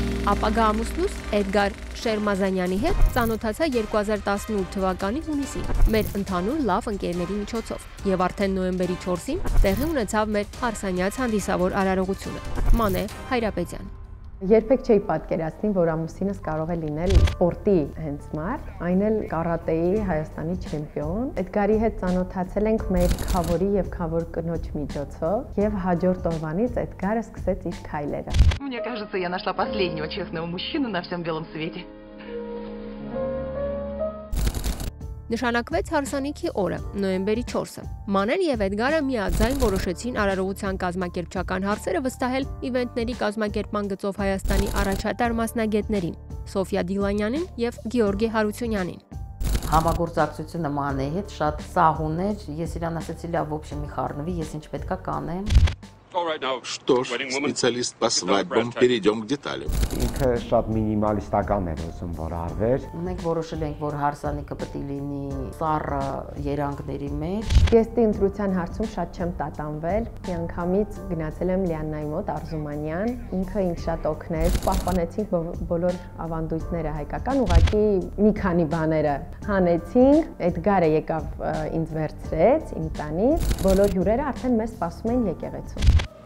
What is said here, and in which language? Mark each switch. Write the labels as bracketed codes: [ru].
[hy] Ապագա ամուսնուս Էդգար Շերմազանյանի հետ ծանոթացա 2018 թվականի հունիսին մեր ընդհանուր լավ ընկերների միջոցով, և արդեն նոյեմբերի 4-ին տեղի ունեցավ մեր հարսանյաց հանդիսավոր արարողությունը։ Մանե Հայրապետյան։ Երբեք չէի պատկերացնի, որ ամուսինս կարող է լինել սպորտի հենց մարդ, այն էլ կարատեի Հայաստանի չեմպիոն։ Էդգարի հետ ծանոթացել ենք մեր քավորի և քավոր կնոջ միջոցով, և հաջորդ օրվանից Էդգարը սկսեց իր քայլերը։ [ru] Мне кажется, я нашла последнего честного мужчину на всём белом свете. [hy] Նշանակվեց հարսանիքի օրը, նոյեմբերի 4-ը։ Մանեն և Էդգարը միաձայն որոշեցին արարողության կազմակերպչական հարցերը վստահել իվենտների կազմակերպման գծով Հայաստանի առաջատար մասնագետներին՝ Սոֆիա Դիլանյանին և Գիորգի Հարությունյանին։ Համագործակցությունը Մանեի հետ շատ սահուն էր, ես իրան ասացի, լավ, ոբշե մի խառնվի, ես ինչ պետքա կանեմ։ [ru] Что ж, специалист по свадьбам, перейдем к деталям. [hy] Ինքը շատ մինիմալիստական էր ուզում, որ արվեր։ Մենք որոշել ենք, որ հարսանիքը պետք լինի սառը երանգների մեջ։ Ես ընտրության հարցում շատ չեմ տատանվել, միանգամից գնացել եմ Լիաննայի մոտ Արզումանյան, ինքը ինձ շատ օգնեց, պահպանեցինք բոլոր ավանդույթները հայկական, ուղղակի մի քանի բաները հանեցինք, Էդգարը եկավ ինձ վերցրեց իմ տանից, բոլոր հյուրերը արդեն մեզ սպասում են եկեղեցում։